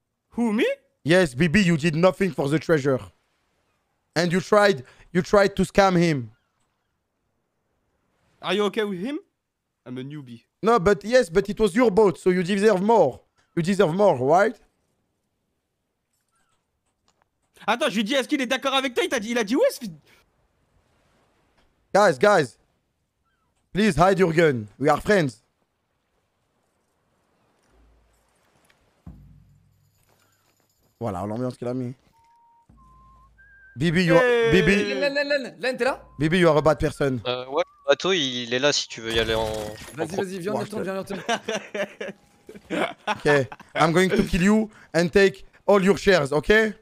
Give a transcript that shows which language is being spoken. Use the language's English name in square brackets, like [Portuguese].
[English] Who, me? Yes, Bibi, you did nothing for the treasure. And you tried to scam him. Are you okay with him? I'm a newbie. No, but yes, but it was your boat, so you deserve more. You deserve more, right? [French] Attends, je lui dis, est-ce qu'il est d'accord avec toi? Il a dit oui. [English] Guys. Please hide your gun. We are friends. [French] Voilà l'ambiance qu'il a mis. Bibi, [English] you are... Hey Bibi... [French] Len, t'es là? [English] Bibi, you are a bad person. [French] Ouais, le bateau, il est là si tu veux y aller en... Vas-y, viens, retourne, viens, retourne. [English] Ok, I'm going to kill you and take all your shares, ok?